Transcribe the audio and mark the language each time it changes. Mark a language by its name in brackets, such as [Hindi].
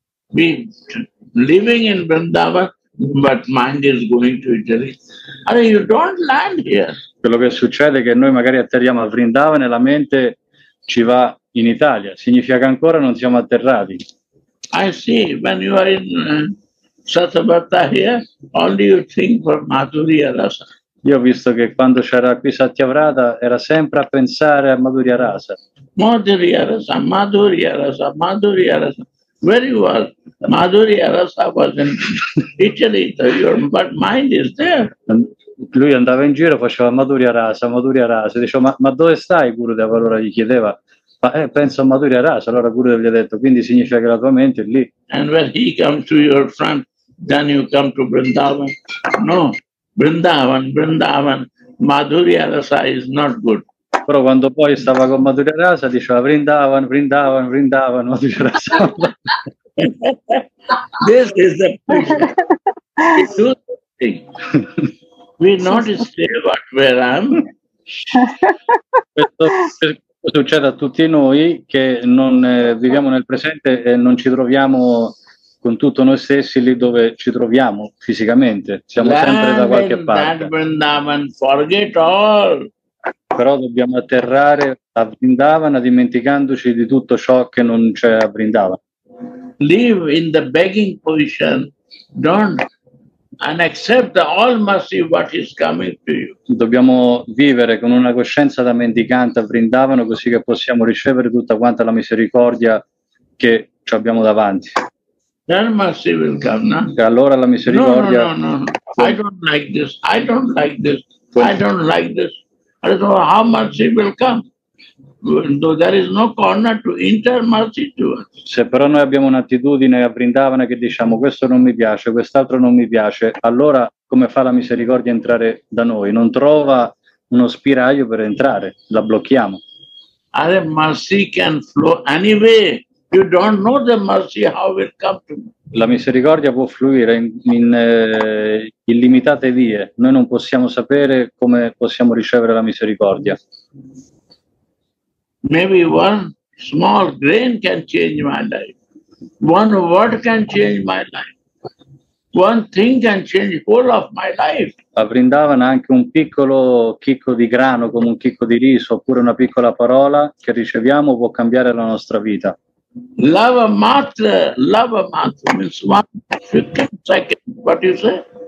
[English] We living in Vrindavan, but mind is going to Italy. [Italian] Allora, [English] you don't land here. [Italian] Quello che succede è che noi magari atterriamo a Vrindavan e la mente ci va in Italia. Significa che ancora non siamo atterrati. [English] I see, when you are in Satyavrata here, only you think for Madhuri Rasa. [Italian] Io ho visto che quando c'era qui Satyavrata era sempre a pensare a Madhuri Rasa. [English] Madhuri Rasa, Madhuri Rasa, Madhuri Rasa. Where you are? Madhuri Rasa was in Italy, so your mind is there. [Italian] Lui andava in giro, faceva Madhuri Rasa, Madhuri Rasa, diceva, ma dove stai Gurudev? Allora gli chiedeva, ma penso a Madhuri Rasa, allora Gurudev gli ha detto, quindi significa che la tua mente è lì. [English] And when he comes to your front, then you come to Vrindavan. No, Vrindavan, Vrindavan, Madhuri Rasa is not good. [Italian] Però quando poi stava con Madhuri Rasa diceva Vrindavan, Vrindavan, Vrindavan, Madhuri Rasa. [English] This is the thing. We not stay but where I am. [Italian] Questo succede a tutti noi che non viviamo nel presente e non ci troviamo con tutto noi stessi lì dove ci troviamo fisicamente. Siamo [English] land [Italian] sempre da qualche parte. [English] Land in Vrindavan, forget all. [Italian] Però dobbiamo atterrare a Vrindavana dimenticandoci di tutto ciò che non c'è a Vrindavan. [English] Live in the begging position, don't, and accept all mercy what is coming to you. [Italian] Dobbiamo vivere con una coscienza da mendicante a Vrindavana così che possiamo ricevere tutta quanta la misericordia che ci abbiamo davanti. [English] Then mercy will come, no? [Italian] E allora la misericordia. [English] No, no, no, no. I don't like this. I don't like this. I don't like this. I don't know how mercy will come. Though there is no corner to enter mercy to us. [Italian] Se però noi abbiamo un'attitudine a Vrindavana che diciamo questo non mi piace, quest'altro non mi piace, allora come fa la misericordia a entrare da noi? Non trova uno spiraglio per entrare, la blocchiamo. [English] Are mercy can flow anyway. You don't know the mercy how it come to me. [Italian] La misericordia può fluire in illimitate vie. Noi non possiamo sapere come possiamo ricevere la misericordia. [English] Maybe one small grain can change my life. One word can change my life. One thing can change whole of my life. [Italian] A Vrindavan anche un piccolo chicco di grano, come un chicco di riso, oppure una piccola parola che riceviamo può cambiare la nostra vita. [English] Love a matter means 1 second, what you say?